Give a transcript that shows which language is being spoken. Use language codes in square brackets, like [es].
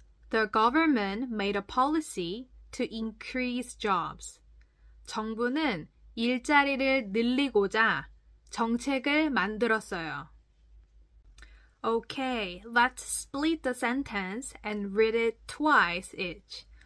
[en] The government made a policy to increase jobs. [ko] 정부는 일자리를 늘리고자 정책을 만들었어요. [en] Okay, let's split the sentence and read it twice each.